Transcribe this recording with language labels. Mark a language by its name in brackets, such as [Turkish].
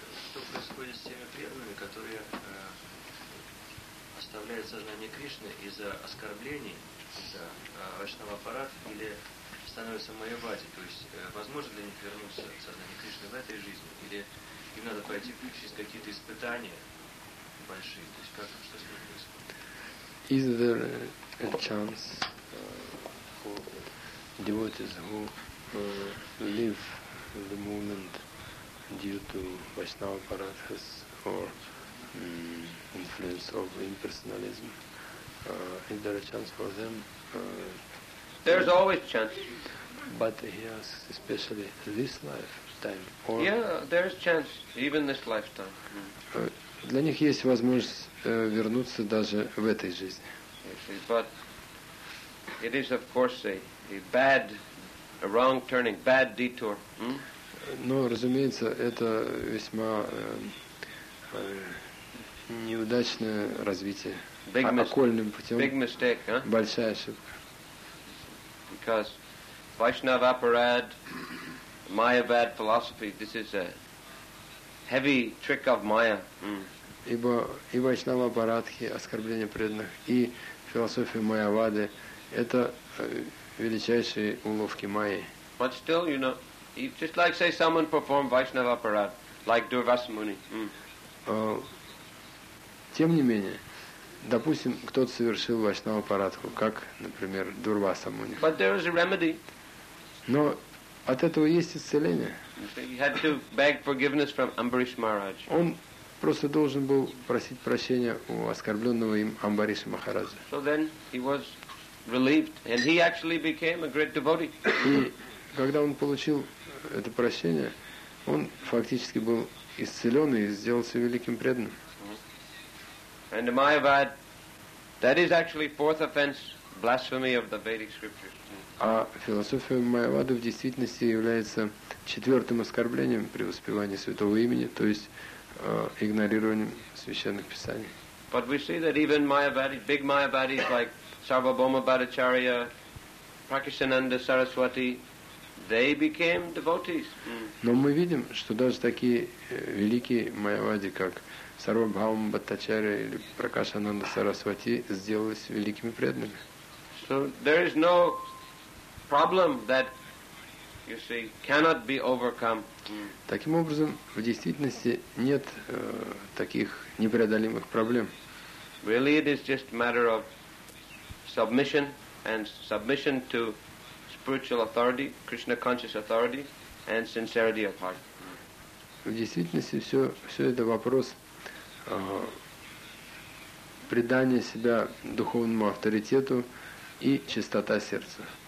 [Russian] Что происходит с теми преданными, которые оставляют сознание Кришны из-за оскорблений, из-за вайшнава аппарат или становятся майявади? То есть возможно ли вернуться в сознание Кришны в этой жизни? Или им надо пройти через какие-то испытания большие? То есть как, что с ним происходит? [English] Is there a chance for devotees who live the moment due to Vaishnava Parathas or influence of impersonalism? Is there a chance for them? There's always chance. But he asks especially this lifetime. Or yeah, there's chance, even this lifetime. [Russian] Для них есть возможность вернуться даже в этой жизни. [English] But it is of course a bad, a wrong turning, bad detour. [Russian] Но, разумеется, это весьма неудачное развитие. [English] Big [Russian] окольным путем. [English] Big mistake, huh? [Russian] Большая ошибка. [English] Because Vaishnava aparad, Mayavad philosophy, this is a heavy trick of Maya. [Russian] Ибо и Вайшнава Апарадхи, оскорбление преданных, и философия Майявады – это величайшие уловки Майи. [English] But still, you know, just like say someone performed Vaishnava aparad, like Durvasamuni. [Russian] Тем не менее, допустим, кто-то совершил Вайшнава Апарадху, как, например, Дурвасамуни. [English] But there is a remedy. [Russian] Но от этого есть исцеление. [English] He had to beg forgiveness from Ambarish Maharaj. [Russian] Он просто должен был просить прощения у оскорбленного им Амбариша Махараджа. [English] So then he was relieved, and he actually became a great devotee. [Russian] И когда он получил это прощение, он фактически был исцелен и сделался великим преданным. [English] And the Mayavad, that is actually fourth offense, blasphemy of the Vedic scriptures. [Russian] А философия Майявады в действительности является четвертым оскорблением при воспевании святого имени, то есть игнорированием священных писаний. [English] But we see that even Mayavadi, big Mayavadis like Sarvabhauma Bhattacharya, Prakashananda Saraswati, they became devotees. [Russian] Но мы видим, что даже такие великие Майавади, как Сарвабхаума Бхаттачарья или Пракашананда Сарасвати, сделались великими преданными. [English] So there is no problem that you see cannot be overcome. [Russian] Таким образом, в действительности нет таких непреодолимых проблем. [English] Really, it is just a matter of submission and submission to spiritual authority, Krishna conscious authority, and sincerity of heart. [Russian] В действительности все это вопрос предания себя духовному авторитету и чистота сердца.